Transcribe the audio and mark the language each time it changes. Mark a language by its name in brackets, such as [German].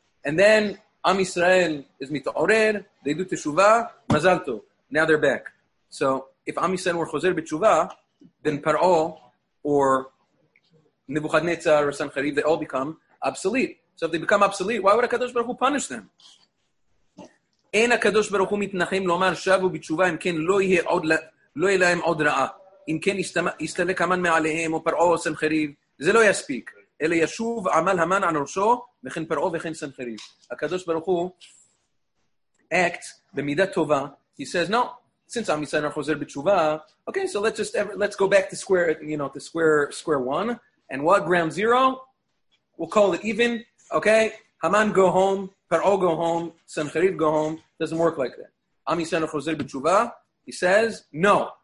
[English] And then Am Yisrael is mita'orer, they do teshuvah, mazal tov, now they're back. So if Am Yisrael were chozer b'teshuvah, then Par'o or Nebuchadnezzar or Sancheriv, they all become obsolete. So if they become obsolete, why would HaKadosh Baruch Hu punish them? [Hebrew] אין הקדוש ברוך הוא מתנחם לומר שבו בתשובה אם כן לא יהיה להם עוד רעה. אם כן יסתלק המן מעליהם או פרעו או סנחריב. זה לא יספיק. אלא ישוב עמל המן על ראשו וכן פרעו וכן סנחריב. הקדוש ברוך הוא [English] acts [Hebrew] במידה טובה. [English] He says, no, since [Hebrew] עם ישראל חוזר בתשובה, [English] okay, so let's go back to square one. And what, ground zero? We'll call it even, okay? Haman, go home. Paro, go home. Sancheriv, go home. Doesn't work like that. Am Yisrael chozer b'tshuva. He says, no.